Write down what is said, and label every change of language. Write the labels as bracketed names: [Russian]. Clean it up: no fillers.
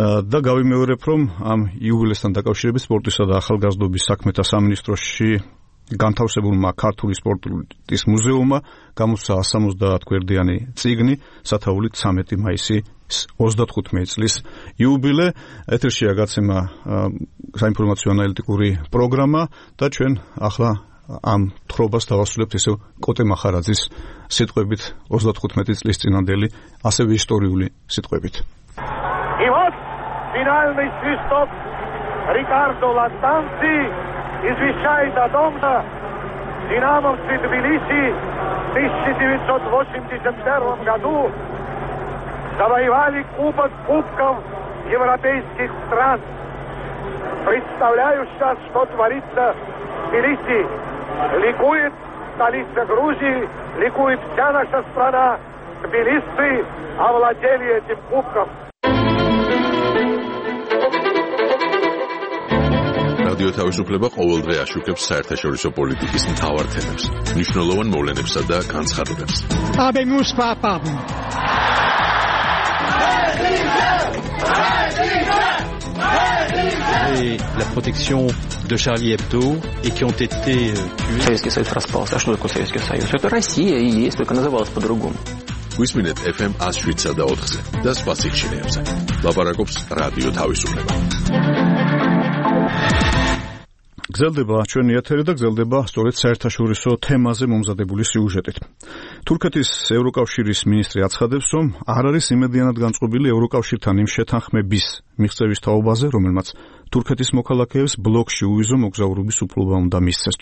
[Georgian] და გავიმეორებ რომ ამ იუბილესთან დაკავშირებით სპორტისა და ახალგაზრდობის საქმეთა სამინისტროში განთავსებულმა ქართული სპორტის მუზეუმმა გამოსცა 70-კვირდიანი წიგნი სათაურით 13 მაისის 25 წლის იუბილე. ეთერში გაცემა საინფორმაციო ანალიტიკური პროგრამა და ჩვენ ახლა ამ თხრობას დავასრულებთ ისევ კოტე მახარაძის სიტყვებით 35 წლის წინანდელი ასევე ისტორიული სიტყვებით. [Russian] И вот финальный свисток Рикардо Ластанци извещает о том, что «Динамовцы» Тбилиси в 1981 году завоевали кубок кубков европейских стран. Представляю сейчас, что творится в Тбилиси. Ликует столица Грузии, ликует вся наша страна. Тбилиси овладели этим кубком. [Georgian] რადიო თავისუფლება ყოველ დღე აშუქებს საერთაშორისო პოლიტიკის მთავარ თემებს, მნიშვნელოვან მოვლენებსა და განცხადებებს. [Latin] აბემუს პაპამ. [French] Et la protection de Charlie Hebdo et qui ont été tués. [Russian] Советский Союз распался. А что такое Советский Союз? Это Россия и есть, только называлась по-другому. [Georgian] Гусминет FM 107.4-ზე და სხვა სიხშირეებზე. ლაპარაკობს რადიო თავისუფლება. გრძელდება ჩვენი ეთერი და გრძელდება სწორედ საერთაშორისო თემაზე მომზადებული სიუჟეტით. თურქეთის ევროკავშირის მინისტრი აცხადებს, რომ არ არის იმედიანად განწყობილი ევროკავშირთან იმ შეთანხმების მიღწევის თაობაზე, რომელმაც თურქეთის მოქალაქეებს ბლოკში უვიზო მოგზაურობის უფლება უნდა მისცეს.